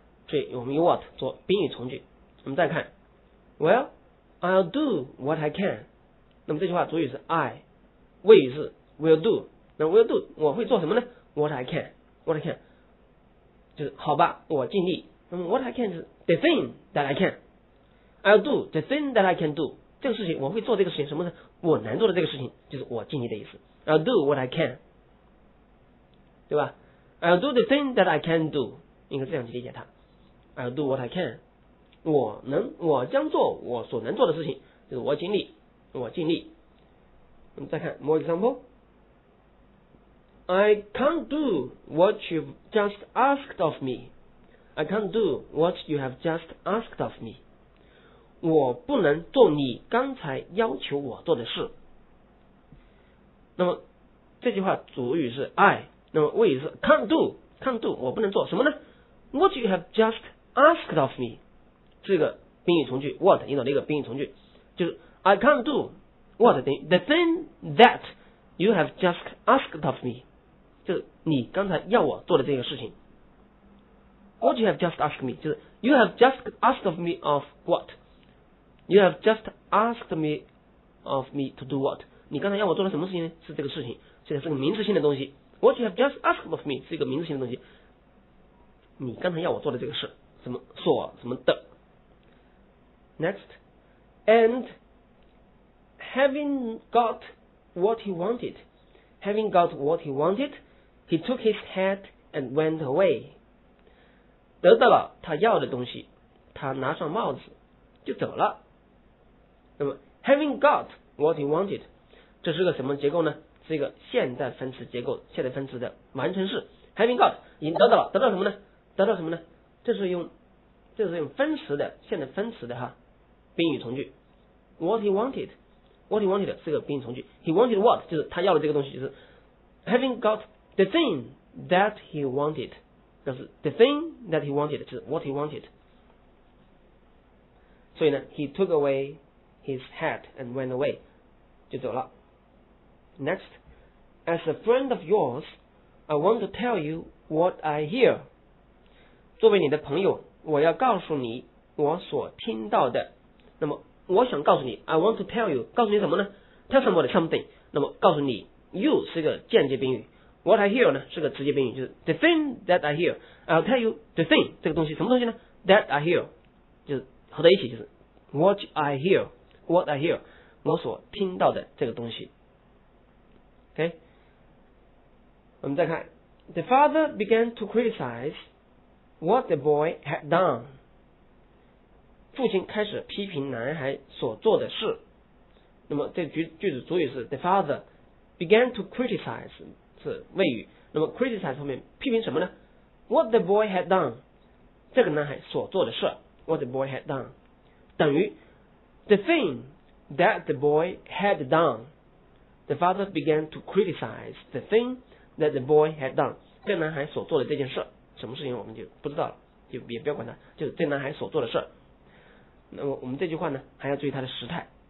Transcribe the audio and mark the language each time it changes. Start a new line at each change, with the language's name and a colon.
Chinese: 所以我们用 what 做宾语从句。我们再看 ，
English: Well， I'll do what I can。
Chinese: 那么这句话主语是 I， 谓语是 will do。那 will do 我会做什么呢 ？
English: What I can， what I can，
Chinese: 就是好吧，我尽力。
English: 那么 what I can 是 the thing that I can， I'll do the thing that I can do。
Chinese: 这个事情我会做，这个事情什么呢？我难做的这个事情就是我尽力的意思。
English: I'll do what I can，
Chinese: 对吧
English: ？I'll do the thing that I can do，
Chinese: 应该这样去理解它。
English: I'll do what I can，
Chinese: 我将做我所能做的事情，就是我尽力。我们再看
English: more example。 I can't do what you've just asked of me。 I can't do what you have just asked of me。
Chinese: 我不能做你刚才要求我做的事。那么这句话主语是 I， 那么谓语是 can't do， 我不能做什么呢 ？
English: What you have just asked of me，
Chinese: 这个宾语从句 what 引导的一个宾语从句，就是
English: I can't do what the thing that you have just asked of me，
Chinese: 就是你刚才要我做的这个事情。
English: What you have just asked me， 就是 you have just asked of me of what。 You have just asked me of me to do what？
Chinese: 你刚才要我做了什么事情呢？是这个事情，这个是个名词性的东西。
English: What you have just asked of me
Chinese: 是一个名词性的东西。你刚才要我做的这个事，什么所什么的。
English: Next， and having got what he wanted， having got what he wanted， he took his hat and went away。
Chinese: 得到了他要的东西，他拿上帽子就走了。那么
English: having got what he wanted，
Chinese: 这是个什么结构呢？是一个现代分词结构，现代分词的完成式。 having got 已经得到了，得到什么呢？这是用分词的现代分词的哈，宾语从句。
English: What he wanted
Chinese: 是个宾语从句。
English: He wanted what
Chinese: 就是
English: 他要的这个东西，就是 having got the thing that he wanted， 就是 the thing that he wanted 就是 what he wanted。
Chinese: 所以呢
English: ，he took away。His hat and went away，
Chinese: 就走了。
English: Next， as a friend of yours， I want to tell you what I hear。
Chinese: 作为你的朋友，我要告诉你我所听到的。那么我想告诉你 ，
English: I want to tell you，
Chinese: 告诉你什么呢 ？
English: Tell somebody something。
Chinese: 那么告诉你 ，you 是个间接宾语 ，
English: what I hear
Chinese: 呢是个直接宾语，就是
English: the thing that I hear。 I'll tell you the thing
Chinese: 这个东西什么东西呢 ？
English: That I hear，
Chinese: 就是合在一起就是
English: what I hear。 What I hear，
Chinese: 我所听到的这个东西。OK， 我们再看
English: The father began to criticize what the boy had done.
Chinese: 父亲开始批评男孩所做的事。那么这 句子主语是
English: the father began to criticize,
Chinese: 是谓语。那么 criticize 后面批评什么呢？
English: What the boy had done,
Chinese: 这个男孩所做的事。
English: What the boy had done 等于 the thing that the boy had done. The father began to criticize the thing that the boy had done,
Chinese: 这男孩所做的这件事。什么事情我们就不知道了，就也不要管他，就是这男孩所做的事。那么我们这句话呢，还要注意它的时态。